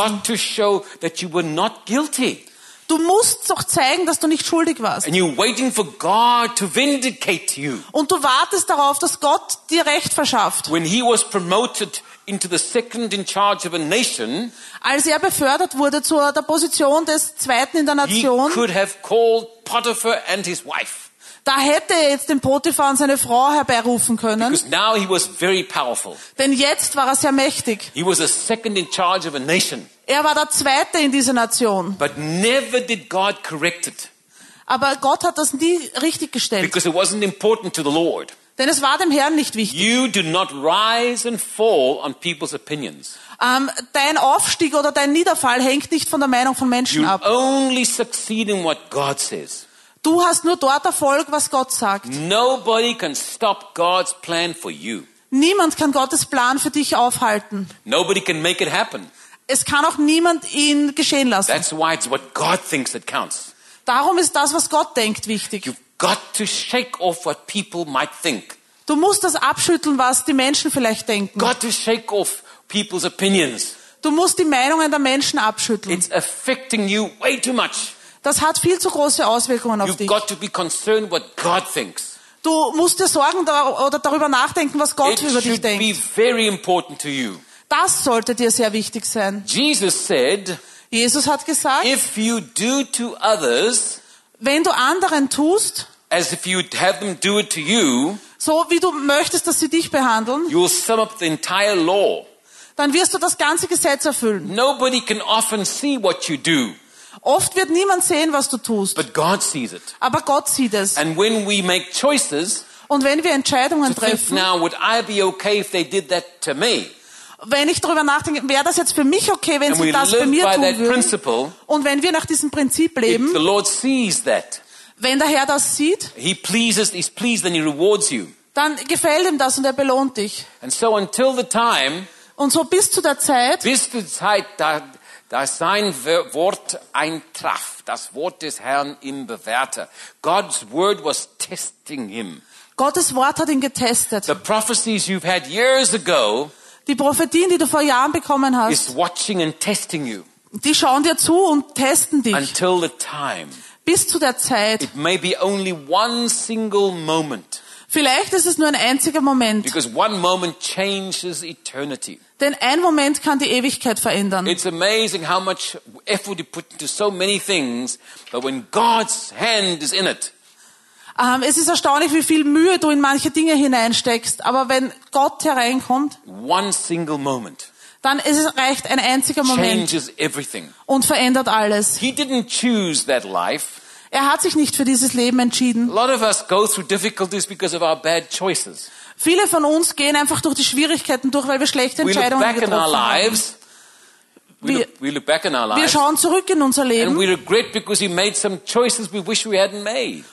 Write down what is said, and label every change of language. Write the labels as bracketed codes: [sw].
[en] You've got to show that you were not guilty. [de] Du musst doch zeigen, dass du nicht schuldig warst. [en] And you're waiting for God to vindicate you. [de] Und du wartest darauf, dass Gott dir Recht verschafft. [en] When he was promoted into the second in charge of a nation, [de] als er befördert wurde zu der Position des Zweiten in der Nation, [en] he could have called Potiphar and his wife. [de] Da hätte er jetzt den Potiphar und seine Frau herbeirufen können. [en] Because now he was very powerful. [de] Denn jetzt war er sehr mächtig. [en] He was a second in charge of a nation. [de] Er war der Zweite in dieser Nation. [en] But never did God correct it. [de] Aber Gott hat das nie richtig gestellt. [en] Because it wasn't important to the Lord. [de] Denn es war dem Herrn nicht wichtig. [en] You do not rise and fall on people's opinions. [de] Dein Aufstieg oder dein Niederfall hängt nicht von der Meinung von Menschen [en] you [de] ab. [en] Only succeed in what God says. [de] Du hast nur dort Erfolg, was Gott sagt. [en] Nobody can stop God's plan for you. [de] Niemand kann Gottes Plan für dich aufhalten. [en] Nobody can make it happen. [de] Es kann auch niemand ihn geschehen lassen. [en] That's why it's what God thinks that counts. [de] Darum ist das, was Gott denkt, wichtig. [en] You've got to shake off what people might think. [de] Du musst das abschütteln, was die Menschen vielleicht denken. [en] Got to shake off people's opinions. [de] Du musst die Meinungen der Menschen abschütteln. [en] It's affecting you way too much. [de] Das hat viel zu große Auswirkungen [en] You've [de] auf dich. [en] Got to be concerned what God thinks. [de] Du musst dir Sorgen oder darüber nachdenken, was Gott [en] It [de] über dich [en] should [de] denkt. [en] Be very important to you. [de] Das sollte dir sehr wichtig sein. [en] Jesus said, [de] Jesus hat gesagt, [en] if you do to others, [de] wenn du anderen tust, [en] as if you'd have them do it to you, [de] so wie du möchtest, dass sie dich behandeln, [en] you'll sum up the entire law. [de] Dann wirst du das ganze Gesetz erfüllen. [en] Nobody can often see what you do. [de] Oft wird niemand sehen, was du tust. [en] But God sees it. [de] Aber Gott sieht es. [en] And when we make choices, [de] und wenn wir Entscheidungen treffen, [en] think, now, would I be okay if they did that to me? [de] Wenn ich darüber nachdenke, wäre das jetzt für mich okay, wenn sie das bei mir tun würden? Und wenn wir nach diesem Prinzip leben, [en] if the Lord sees that, [de] wenn der Herr das sieht, [en] he pleases, he's pleased and he rewards you. [de] Dann gefällt ihm das und er belohnt dich. [en] And so until the time, [de] und so bis zu der Zeit, da sein Wort eintraf, das Wort des Herrn ihm bewährte. [en] God's word was testing him. [de] Gottes Wort hat ihn getestet. [en] The prophecies you've had years ago, [de] die Prophetien, die du vor Jahren bekommen hast, [en] is watching and testing you. [de] Die schauen dir zu und testen dich. [en] Until the time. [de] Bis zu der Zeit. [en] It may be only one single moment. [de] Vielleicht ist es nur ein einziger Moment. [en] Because one moment changes eternity. [de] Denn ein Moment kann die Ewigkeit verändern. [en] It's amazing how much effort you put into so many things, but when God's hand is in it. [de] Es ist erstaunlich, wie viel Mühe du in manche Dinge hineinsteckst, aber wenn Gott hereinkommt, [en] one single moment, [de] dann ist es reicht ein einziger Moment [en] changes everything. [de] Und verändert alles. [en] He didn't choose that life. [de] Er hat sich nicht für dieses Leben entschieden. [en] A lot of us go through difficulties because of our bad choices. [de] Viele von uns gehen einfach durch die Schwierigkeiten durch, weil wir schlechte Entscheidungen getroffen haben. [en] We look back in our lives. [de] Wir schauen zurück in unser Leben. [en] And we regret because we made some choices we wish we hadn't made.